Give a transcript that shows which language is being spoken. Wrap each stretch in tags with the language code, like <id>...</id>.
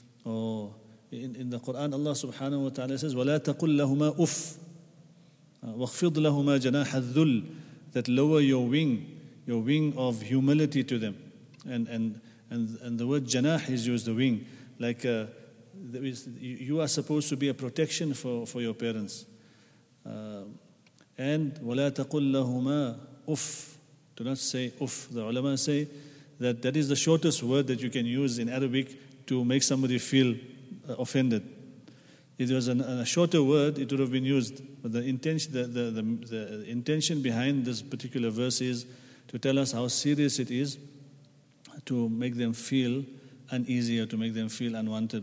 <en>Or in the Quran, Allah subhanahu wa ta'ala says,</en> <ar>وَلَا تَقُلْ لَهُمَا أُفْ وَخْفِضْ لَهُمَا جَنَاحَ الذُّلْ,</ar> <en>that lower your wing of humility to them. And the word janah is used, the wing, like you are supposed to be a protection for your parents. And</en> <ar>وَلَا تَقُلْ لَهُمَا أُفْ,</ar> <en>do not say أُفْ. The ulama say that is the shortest word that you can use in Arabic to make somebody feel offended. If it was a shorter word, it would have been used. But the intention behind this particular verse is to tell us how serious it is to make them feel uneasy or to make them feel unwanted.</en>